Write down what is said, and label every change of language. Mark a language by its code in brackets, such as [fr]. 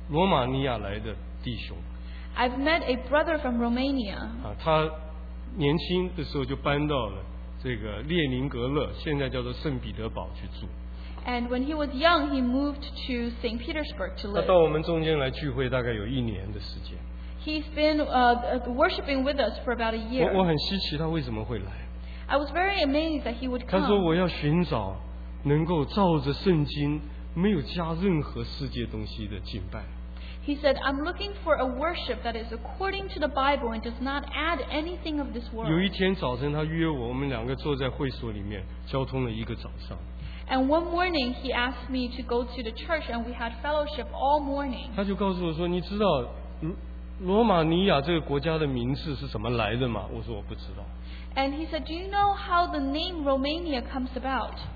[zh] 我遇见一位罗马尼亚来的弟兄。 [en] I've met a brother from Romania. [zh] 他年轻的时候就搬到了这个列宁格勒, 现在叫做圣彼得堡去住。 [en] And when he was young, he moved to St. Petersburg to live. [zh] 他到我们中间来聚会大概有一年的时间。 [en] He's been worshiping with us for about a year. [zh] 我很稀奇他为什么会来。 [en] I was very amazed that he would come. [zh] 他说我要寻找 能够照着圣经没有加任何世界东西的敬拜。 [en] He said, I'm looking for a worship that is according to the Bible and does not add anything of this world. [zh] 有一天早晨他约我, 我们两个坐在会所里面, 交通了一个早上。 [en] And one morning he asked me to go to the church and we had fellowship all morning. [zh] 他就告诉我说, 你知道, 罗马尼亚这个国家的名字是怎么来的吗? 我说我不知道。 [en] And he said, do you know how the name Romania comes about?